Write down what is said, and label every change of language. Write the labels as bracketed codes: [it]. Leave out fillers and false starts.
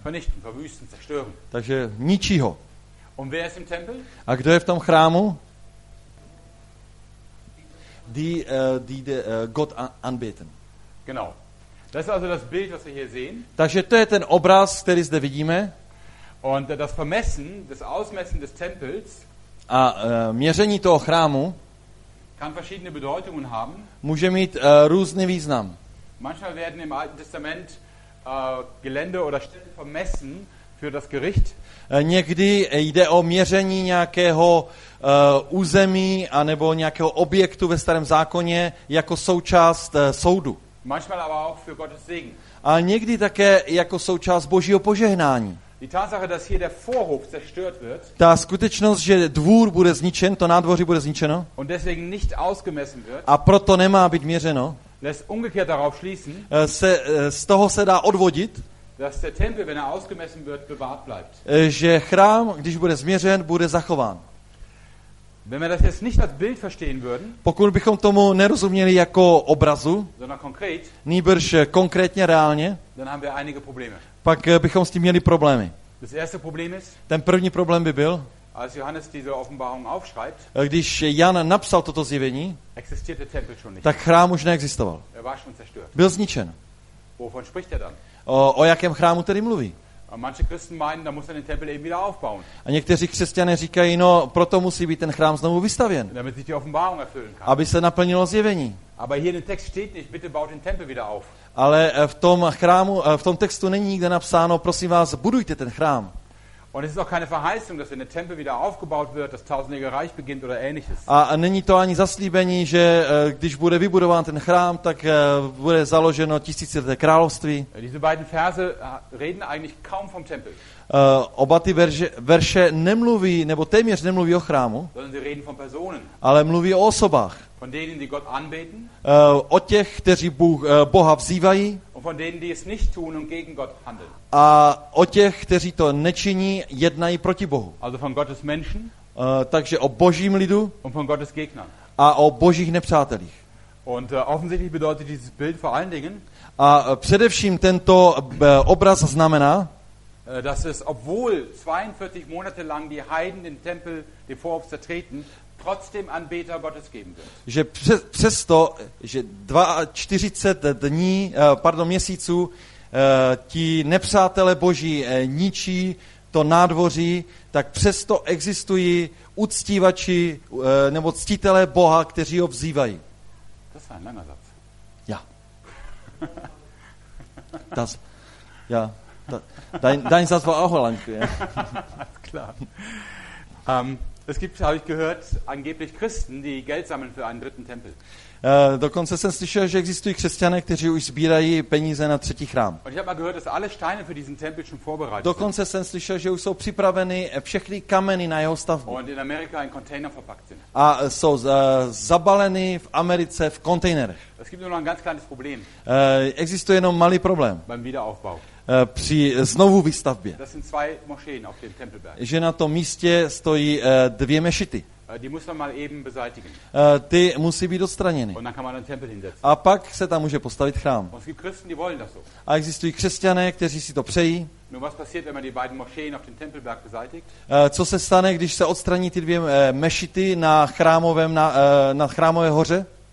[de] Vernichten, verwüsten, zerstören. [cs] Takže ničí ho. [de] Und wer ist im Tempel? [cs] A kdo je v tom chrámu? [de] Die Gott anbeten. Genau. Das ist also das Bild, was wir hier sehen. [cs] Takže to je ten obraz, který zde vidíme. [de] Und das Vermessen, das Ausmessen des Tempels. [cs] A měření toho chrámu. [de] Kann verschiedene Bedeutungen haben. [cs] Může mít různý význam. [de] Manchmal werden im Alten Testament Gelände oder Städte vermessen für das Gericht. [cs] Někdy jde o měření nějakého území a nebo nějakého objektu ve Starém zákoně jako součást soudu. [de] Manchmal aber auch für Gottes Segen. [cs] A někdy také jako součást Božího požehnání. [de] Die Tatsache, dass hier der Vorhof zerstört wird. [cs] Ta skutečnost, že dvůr bude zničen, to nádvoří bude zničeno. [de] Und deswegen nicht ausgemessen wird. [cs] A proto nemá být měřeno. [de] Lässt umgekehrt darauf schließen. [cs] Z toho se dá odvodit. [de] Dass der Tempel, wenn er ausgemessen wird, bewahrt bleibt. [cs] Že chrám, když bude změřen, bude zachován. [de] Wenn wir das jetzt nicht als Bild verstehen würden. [cs] Pokud bychom tomu nerozuměli jako obrazu. [de] Sondern konkret. [cs] Nýbrž konkrétně reálně. [de] Dann haben wir einige Probleme. [cs] Pak bychom s tím měli problémy. [de] Das erste Problem ist, [cs] ten první problém by byl, [de] als Johannes diese Offenbarung aufschreibt, [cs] když Jan napsal toto zjevení, [de] existierte Tempel schon nicht. [cs] Tak chrám už neexistoval. [de] Er war schon zerstört. [cs] Byl zničen. [de] Wovon spricht er dann? [cs] O jakém chrámu tedy mluví? [de] A manche Christen meinen, da muss er den Tempel eben wieder aufbauen. [cs] A někteří křesťané říkají, no proto musí být ten chrám znovu vystavěn. [de] Damit sich die Offenbarung erfüllen kann. [cs] Aby se naplnilo zjevení. [de] Aber hier in dem Text steht nicht, bitte baut den Tempel wieder auf. [cs] Ale v tom chrámu, v tom textu není nikde napsáno, prosím vás, budujte ten chrám. [de] Und es ist auch keine Verheißung, dass wenn der Tempel wieder aufgebaut wird, das tausendjährige Reich beginnt oder ähnliches. [cs] A není to ani zaslíbení, že když bude vybudován ten chrám, tak bude založeno tisícileté království. [de] Diese beiden Verse reden eigentlich kaum vom Tempel. [cs] Oba ty verše nemluví, nebo téměř nemluví o chrámu. [de] Sondern sie reden von Personen. [cs] Ale mluví o osobách. [de] Von denen, die Gott anbeten. [cs] O těch, kteří Boha vzývají. [de] Und von denen, die es nicht tun und gegen Gott handeln. [cs] A o těch, kteří to nečiní, jednají proti Bohu. [de] Also von Gottes Menschen. [cs] Takže o Božím lidu. [de] Und von Gottes Gegnern. [cs] A o Božích nepřátelích. [de] Und offensichtlich bedeutet dieses Bild vor allen Dingen. [cs] A především tento obraz znamená, [de] dass es, obwohl 42 Monate lang die Heiden den Tempel, den Vorhof zertreten, trotzdem Anbeter Gottes geben wird. [cs] Že přesto, že 42 dní, pardon, měsíců, ti nepřátelé Boží ničí to nádvoří, tak přesto existují uctívači nebo ctitelé Boha, kteří ho vzývají. To je [de] ein langer Satz. Ja. Das, ja. Dein Satz war auch lang. Klar. Es gibt, habe ich gehört, angeblich Christen, die Geld sammeln für einen dritten Tempel. [cs] Dokonce jsem slyšel, že existují křesťané, kteří už sbírají peníze na třetí chrám. [de] Und ich habe mal gehört, dass alle Steine für diesen Tempel schon vorbereitet sind. [cs] Dokonce jsem slyšel, že už jsou připraveny všechny kameny na jeho stavbu. [de] Und in Amerika in Container verpackt sind. [cs] A jsou zabaleny v Americe v kontejnerech. [de] Es gibt nur noch ein ganz kleines Problem. [cs] Existuje jenom malý problém. [de] Beim Wiederaufbau. [cs] Při znovu výstavbě. [de] Das sind zwei Moscheen auf dem Tempelberg. [cs] Že na tom místě stojí dvě mešity. [de] Die muss man mal eben beseitigen. [cs] Ty musí být odstraněny. [de] Und dann kann man einen Tempel hinsetzen. [cs] A pak se tam může postavit chrám. [de] Und es gibt Christen, die wollen das so. [cs] A existují křesťané, kteří si to přejí. [de] Nur was passiert, wenn man die beiden Moscheen auf dem Tempelberg beseitigt? [cs] Co se stane, když se odstraní ty dvě mešity na chrámovém na chrámové hoře?